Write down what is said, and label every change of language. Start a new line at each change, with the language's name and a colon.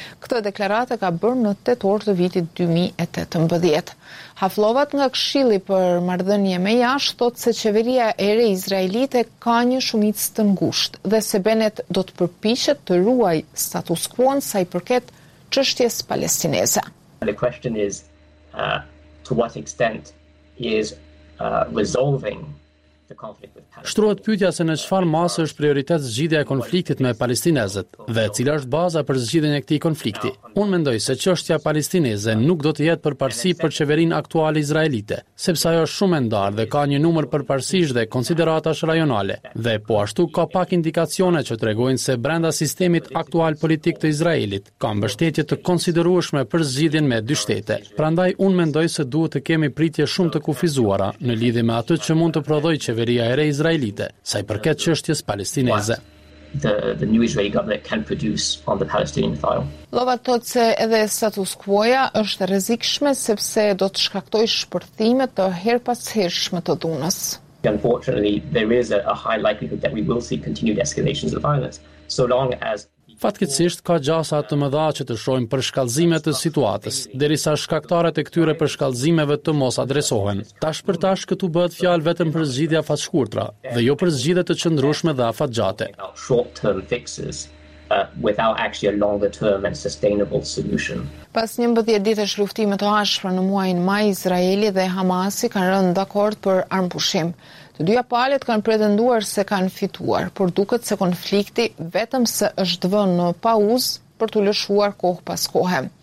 Albanian: Këtë deklaratë ka bërë në tetor të vitit 2018. Haflovat nga Këshilli për marrëdhënie me jashtë thotë se qeveria e re izraelite ka një shumicë të ngushtë dhe se Bennett do të përpiqet të ruaj status quo sa i përket çështjes palestineze.
English: The question is to what extent is resolving the conflict with Palestine.
Albanian: Shtrohet pyetja se në çfarë masë është prioritet zgjidhja e konfliktit me palestinezët dhe cila është baza për zgjidhjen e këtij konflikti. Unë mendoj se çështja palestineze nuk do të jetë përparësi për qeverinë aktuale izraelite, sepse ajo është shumë e ndarë dhe ka një numër përparësish dhe konsideratash rajonale. Dhe po ashtu ka pak indikacione që tregojnë se brenda sistemit aktual politik të Izraelit ka mbështetje të konsiderueshme për zgjidhjen me dy shtete. Prandaj unë mendoj se duhet të kemi pritje shumë të kufizuara në lidhje me atë që mund të prodhojë qeveria e re izraelite sa i përket çështjes palestineze.
English: The new Israeli government can produce on the Palestinian file.
Albanian: Lovat thot se edhe status quo-ja është rrezikshme sepse do të shkaktojë shpërthime të herpashershme të dhunës.
English: Unfortunately, there is a high likelihood that we will see continued escalations of violence so long as.
Albanian: Fatkeqësisht ka gjasa të mëdha që të shojmë përshkallëzime të situatës, derisa shkaktarët e këtyre përshkallëzimeve të mos adresohen. Tash për tash këtu bëhet fjalë vetëm për zgjidhje afatshkurtra dhe jo për zgjidhje të qëndrueshme dhe afatgjate.
English: Without actually a longer term and sustainable solution.
Albanian: Pas 11 ditësh luftime të ashpra në muajin maj, Izraeli dhe Hamasi kanë rënë dakord për armpushim. Të dyja palët kanë pretenduar se kanë fituar, por duket se konflikti vetëm se është vënë në pauzë për të lëshuar kohë pas kohe.